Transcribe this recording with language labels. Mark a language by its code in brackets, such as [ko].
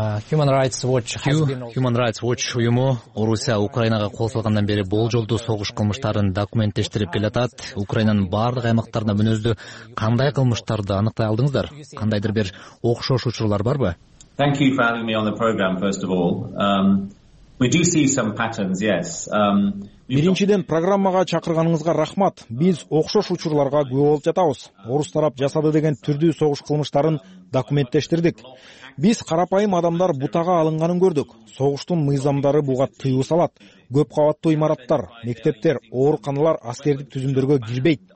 [ky] Human Rights Watch уюму Орусия Украинага кошулгандан бери болжолдуу согуш кылмыштарын документтештирип келатат. Украинанын бардык аймактарында мүнөздүү кандай кылмыштарды аныктай алдыңыздар? Кандайдыр бир окшош учурлар барбы? [en] Thank you for having me on the program, first of all. We do see some patterns, yes. [ky] Биринчиден программага чакырганыңызга рахмат. Биз окшош учурларга күбө болуп жатабыз. Орус тарап жасады деген түрдүү согуш кылмыштарын документтештирдик. Биз карапайым адамдар бутага алынганын көрдүк. Согуштун мыйзамдары буга тыюу салат. Көп кабаттуу имараттар, мектептер, ооруканалар аскердик түзүмдөргө кирбейт.